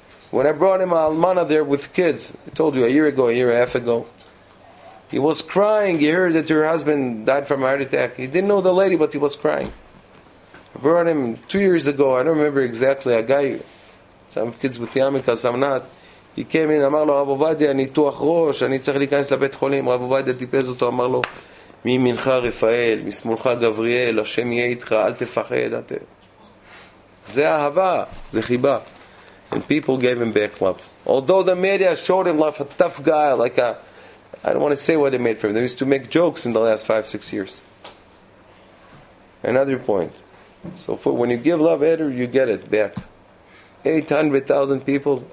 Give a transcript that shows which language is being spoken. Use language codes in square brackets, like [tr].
[en] When I brought him Almana there with kids, I told you a year and a half ago, he was crying. He heard that her husband died from a heart attack. He didn't know the lady, but he was crying. I brought him 2 years ago, I don't remember exactly, a guy, some kids with yarmulke, some not. He came in, [he] אמר לו, רב עובדיה, ניתוח ראש, אני צריך להיכנס לבית חולים. רב עובדיה טיפז אותו, אמר לו, מימינך רפאל, משמאלך גבריאל, השם יהיה איתך, אל תפחד. זה אהבה, זה חיבה. [en] And people gave him back love. Although the media showed him love, a tough guy, like a... I don't want to say what they made for him. They used to make jokes in the last 5-6 years. Another point. So for when you give love, Eder, you get it back. 800,000 people.